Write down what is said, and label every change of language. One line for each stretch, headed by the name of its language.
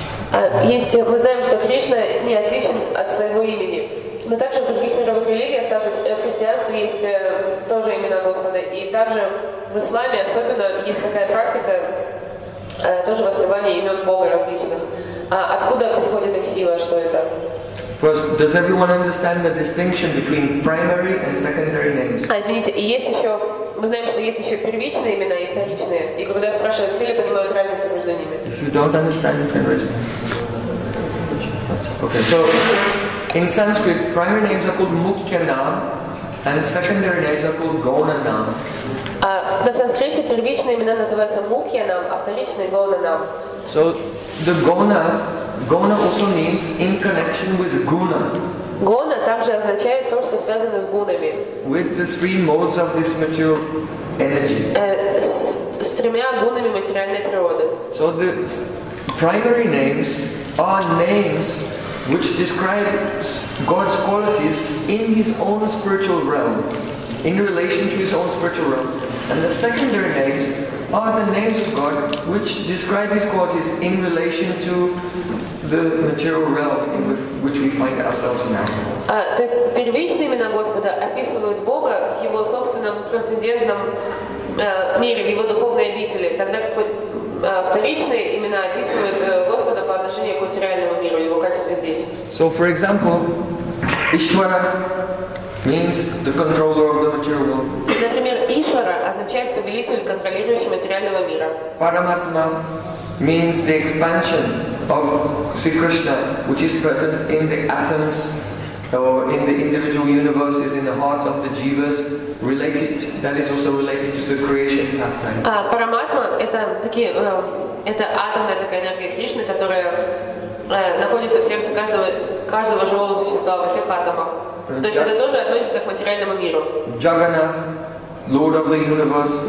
Russian: Мы знаем, что Кришна не отличен от своего имени. Но также в других мировых религиях, также в христианстве есть тоже имена Господа. И также в исламе особенно есть такая практика тоже воспевания имен Бога различных. Откуда приходит их сила, что это?
English: First, does everyone understand the distinction between primary and secondary names?
Russian: Извините, есть еще, мы знаем, что есть еще первичные имена и вторичные. И когда спрашивают, все ли понимают разницу между ними?
English: If you don't understand the primary names. Okay, so in Sanskrit, primary names are called Mukhya Naam, and secondary names are called Gauna Naam.
Russian: На санскрите первичные имена называются Mukhya Naam, а вторичные Gauna Naam.
English: So the Gauna Guna also means in connection with guna.
Russian: Guna также означает то, что связано с гунами.
English: With the three modes of this material energy.
Russian: С тремя гунами материальной природы.
English: So the primary names are names which describe God's qualities in His own spiritual realm, in relation to His own spiritual realm. And the secondary names are the names of God which describe His qualities in relation to the material realm in which we find ourselves now.
Russian: То есть первичные имена Господа описывают Бога в Его собственном трансцендентном мире, в Его духовной обители. Тогда как вторичные имена описывают Господа по отношению к материальному миру, Его качестве здесь.
English: So, for example, Ishvara means the controller of the material world.
Russian: Например, Ишвара означает повелитель, контролирующий материального мира.
English: Параматма means the expansion of Sri Krishna, which is present in the atoms or in the individual universes, in the hearts of the jivas, related to, that is also related to the creation pastime.
Russian: Параматма это такие это атомная такая энергия Кришны, которая находится в сердце каждого живого существа во всех атомах. То есть это тоже относится к материальному миру.
English: Jagannath, Lord of the universe.